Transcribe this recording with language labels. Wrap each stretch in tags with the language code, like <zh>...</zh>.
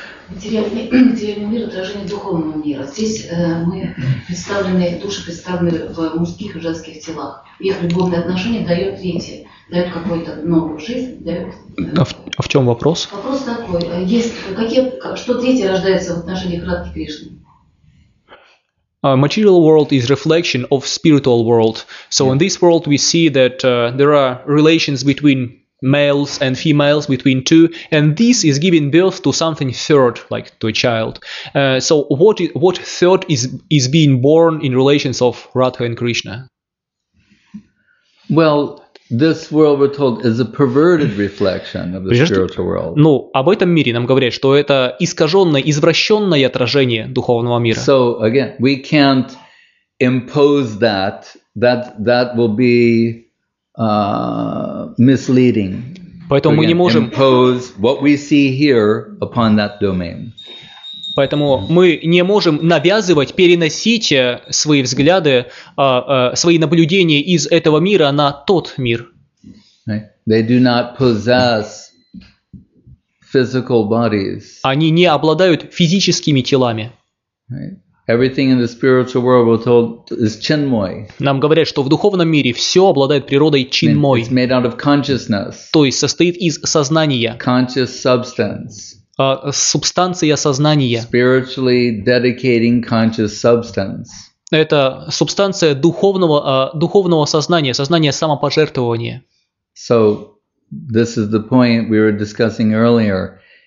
<ru>Материальный мир – отражение духовного мира. Здесь мы представлены, души представлены в мужских и женских телах. Их любовные отношения дают дети, дают какую-то новую жизнь. А в чем вопрос? Вопрос такой. Что дети рождаются в отношениях Радхи Кришны?</ru> <en>Material world is reflection of spiritual world. So in this world we see that there are relations between males and females, between two, and this is giving birth to something third, like to a child. So what third is being born in relations of Radha and Krishna? Well, this world, we're told, is a perverted reflection of the spiritual world.</en> <ru>Ну, об этом мире нам говорят, что это искаженное, извращенное отражение духовного мира.</ru> <en>So again, we can't impose that. That will be misleading.</en> <ru>Поэтому мы не можем</ru> <en>impose what we see here upon that domain.</en> <ru>Поэтому мы не можем навязывать, переносить свои взгляды, свои наблюдения из этого мира на тот мир.</ru> <en>They do not possess physical bodies.</en> <ru>Они не обладают физическими телами.</ru> <en>Everything in the spiritual world, we're told, is chinmoy.</en> <ru>Нам говорят, что в духовном мире все обладает природой чинмой.</ru> <en>It's made out of consciousness.</en> <ru>То есть состоит из сознания.</ru> <en>Conscious substance.</en> <ru>Субстанция сознания.</ru> <en>Spiritually dedicating conscious substance.</en> <ru>Это субстанция духовного сознания, сознание самопожертвования.</ru> <en>So this is the point we were discussing earlier.</en>